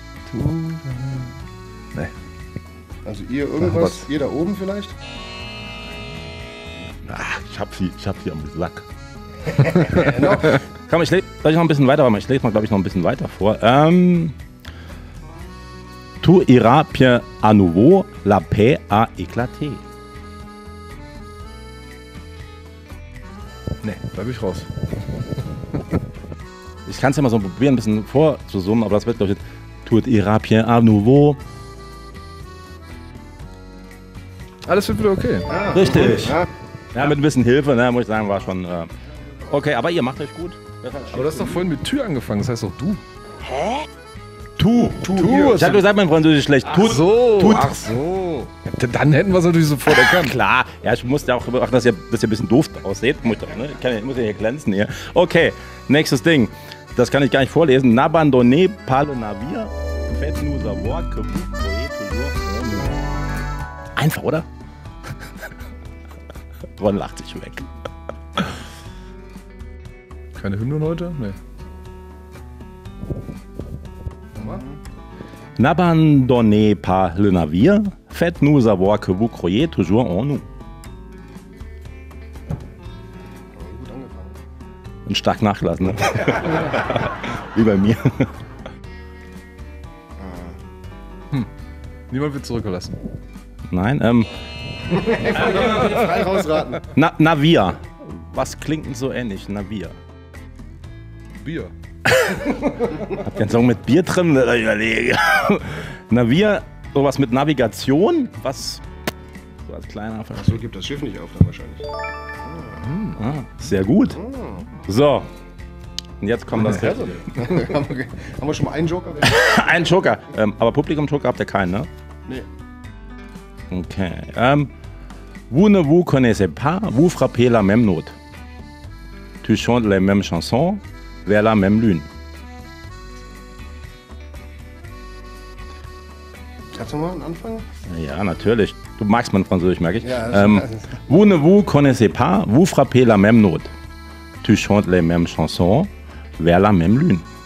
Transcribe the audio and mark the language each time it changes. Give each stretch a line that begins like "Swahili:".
French: Tu.
German: Nee. Also ihr irgendwas? Ach, ihr da oben vielleicht? Ach, ich hab sie am Lack. Komm, ich lege noch ein bisschen weiter, aber ich lege mal, glaube ich, noch ein bisschen weiter vor.
French: Tu iras bien à nouveau, la paix a éclaté.
German: Ne, bleib ich raus. Ich kann es ja mal so probieren, ein bisschen vorzusummen, aber das wird, glaube ich,
French: tout ira bien à nouveau.
German: Alles wird wieder okay. Ah, richtig. Okay. Ja, mit ein bisschen Hilfe, ne, muss ich sagen, war schon. Okay, aber ihr macht euch gut. Aber du hast doch vorhin mit Tür angefangen, das heißt doch du. Hä?
French: Tu.
German: Ich hab gesagt, mein Freund, du bist schlecht. Ach so. Dann hätten wir es natürlich sofort erkannt. Klar. Ja, ich musste ja auch überwachen, dass ihr ein bisschen doof aussieht. Ich muss ja hier glänzen hier. Okay, nächstes Ding. Das kann ich gar nicht vorlesen.
French: N'abandonné pas le navire. Faites nous savoir que vous voyez toujours.
German: Einfach, oder? Ron lacht sich weg. Keine Hymnen heute? Nee.
French: N'abandonnez pas le navire, faites nous savoir que vous croyez toujours en nous.
German: Gut angefangen. Und stark nachgelassen. Wie bei mir. Niemand wird zurückgelassen. Nein, frei rausraten. Navier. Was klingt denn so ähnlich? Navier. Bier. Hab den Song mit Bier drin, da überlege. Navier, sowas mit Navigation, was so als kleiner Fall. Achso, gibt das Schiff nicht auf dann wahrscheinlich. Ah, sehr gut. So, und jetzt kommt das. Haben wir schon mal einen Joker? Einen Joker, aber Publikum-Joker habt ihr keinen, ne? Nee. Okay.
French: Vous ne vous connaissez pas, vous frappez la même note. Tu chantes les mêmes chansons. Wer la même lune?
German: Kannst du mal einen Anfang? Ja, natürlich. Du magst mein Französisch, merke ich. Ja,
French: vous ne vous connaissez pas, vous frappez la même note. Tu chantes les mêmes chansons, vers la même lune.